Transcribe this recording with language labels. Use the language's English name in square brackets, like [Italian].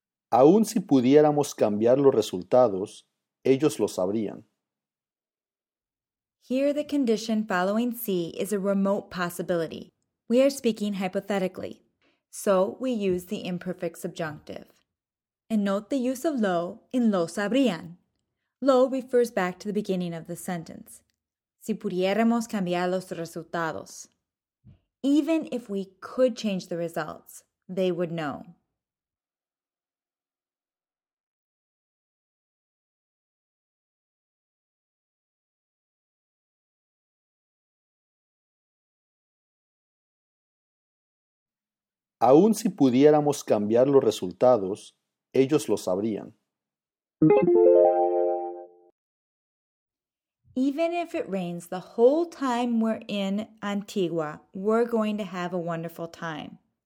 [Spanish] Aún si pudiéramos cambiar los resultados, ellos lo sabrían. [English] Here the condition following C is a remote possibility. We are speaking hypothetically, so we use the imperfect subjunctive. And note the use of lo in [Spanish] lo sabrían. [English] Lo refers back to the beginning of the sentence. [Spanish] Si pudiéramos cambiar los resultados. [English] Even if we could change the results, they would know. [Spanish] Aún si pudiéramos cambiar los resultados, ellos lo sabrían. [English] Even if it rains the whole time we're in Antigua, we're going to have a wonderful time.